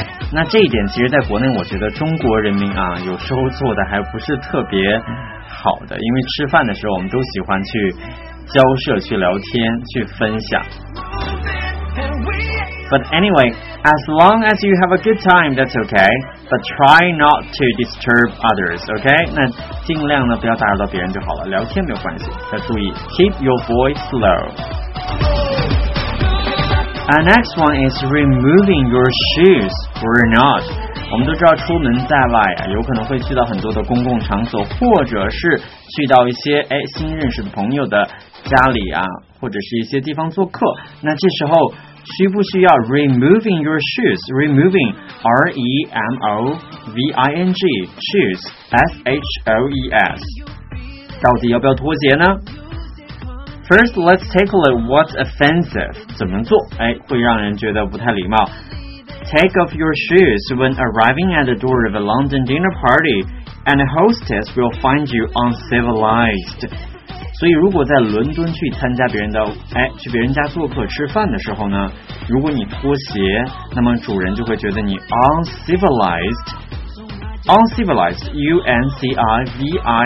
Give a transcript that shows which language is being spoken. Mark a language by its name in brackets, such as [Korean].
[Chinese] 那这一点其实在国内我觉得中国人民啊有时候做的还不是特别好的，因为吃饭的时候我们都喜欢去交涉、去聊天、去分享。 [English] But anyway, as long as you have a good time, that's okay. But try not to disturb others, okay? [Chinese] 那尽量呢不要打扰到别人就好了，聊天没有关系，要注意 [English] keep your voice low. And next one is removing your shoes. We're not. [Chinese] 我们都知道出门在外啊，有可能会去到很多的公共场所，或者是去到一些新认识的朋友的家里啊，或者是一些地方做客。那这时候需不需要 [English] removing your shoes? Removing, R-E-M-O-V-I-N-G, shoes, S-H-O-E-S. [Chinese] 到底要不要脱鞋呢？ [English] First, let's take a look at what's offensive. [Chinese] 怎么做会让人觉得不太礼貌。 [English] Take off your shoes when arriving at the door of a London dinner party, and a hostess will find you uncivilized. [Chinese] 所以如果在伦敦去参加别人的去别人家做客吃饭的时候呢，如果你脱鞋，那么主人就会觉得你 uncivilized. [English] Uncivilized, U-N-C-I-V-I-L-I-Z-E-D,